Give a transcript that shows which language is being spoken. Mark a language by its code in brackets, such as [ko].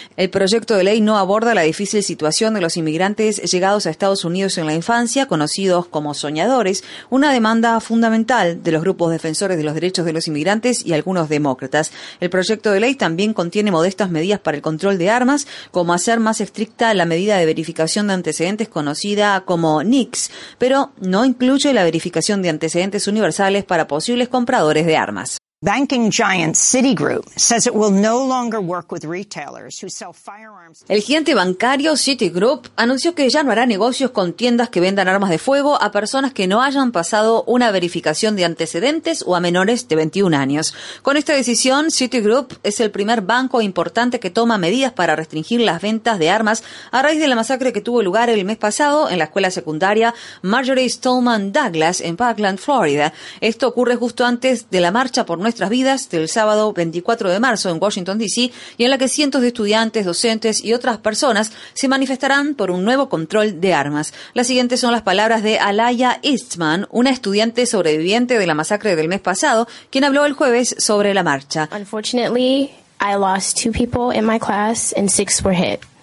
[es] El proyecto de ley no aborda la difícil situación de los inmigrantes llegados a Estados Unidos en la infancia, conocidos como soñadores, una demanda fundamental de los grupos defensores de los derechos de los inmigrantes y algunos demócratas. El proyecto de ley también contiene modestas medidas para el control de armas, como hacer más estricta la medida de verificación de antecedentes conocida como NICS, pero no incluye la verificación de antecedentes universales para posibles compradores de armas. [en] Banking giant Citigroup says it will no longer work with retailers who sell firearms. [es] El gigante bancario Citigroup anunció que ya no hará negocios con tiendas que vendan armas de fuego a personas que no hayan pasado una verificación de antecedentes o a menores de 21 años. Con esta decisión, Citigroup es el primer banco importante que toma medidas para restringir las ventas de armas a raíz de la masacre que tuvo lugar el mes pasado en la escuela secundaria Marjorie Stoneman Douglas en Parkland, Florida. Esto ocurre justo antes de la marcha por nuestras vidas del sábado 24 de marzo en Washington, D.C., y en la que cientos de estudiantes, docentes y otras personas se manifestarán por un nuevo control de armas. Las siguientes son las palabras de Alaya Eastman, una estudiante sobreviviente de la masacre del mes pasado, quien habló el jueves sobre la marcha. [en] Unfortunately, I lost 2 people in my class and 6 were hit.